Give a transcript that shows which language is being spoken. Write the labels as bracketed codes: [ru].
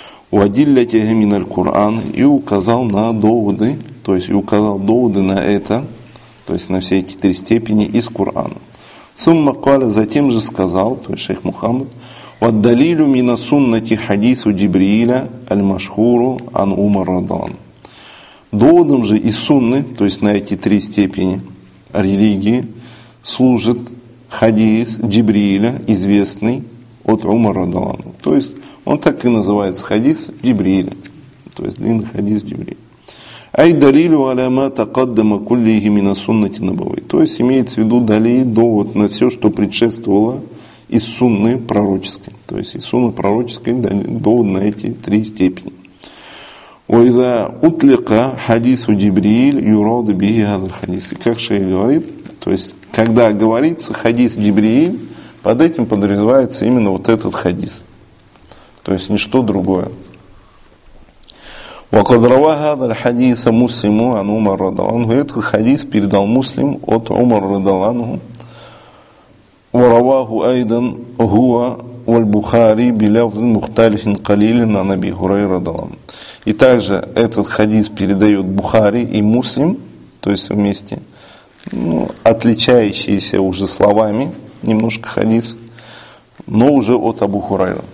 [ru] Уадиллятиха миналь Куран и указал на доводы, то есть и указал доводы на это, то есть на все эти три степени из Курана. Сумма каля затем же сказал, то есть шейх Мухаммад, [ar] وَالدَّلِيلُ مِنَ سُنَّةِ حَدِيثُ جِبْرِيلَ الْمَشْهُورُ عَنْ عُمَرَ رَضِيَ اللَّهُ. [ru] Доводом же из сунны, то есть на эти три степени религии, служит хадис Джибриля, известный от Умара радиаллаху анху. То есть он так и называется, хадис Джибриля, то есть длинный хадис Джибриля. [ar] أي دليل على ما تقدم كله من السنة النبوية. [ru] То есть имеется в виду далиль, довод на все, что предшествовало из сунны пророческой. То есть из сунны пророческой довод на эти три степени. [ar] وإذا أطلق حديث جبريل يراد به هذا الحديث. [ru] И как шейх говорит, то есть когда говорится хадис Джибриль, под этим подразумевается именно вот этот хадис. То есть ничто другое. [ar] وقد روى هذا الحديث مسلم عن عمر رضي الله عنه. [ru] Этот хадис передал муслим от Умара [ar] رضي الله عنه. ورواه ايضا هو والبخاري بلفظ مختلف قليل عن ابي هريره رضي الله عنه. [ru] И также этот хадис передают Бухари и Муслим, то есть вместе, ну, отличающиеся уже словами немножко хадис, но уже от Абу Хурайры.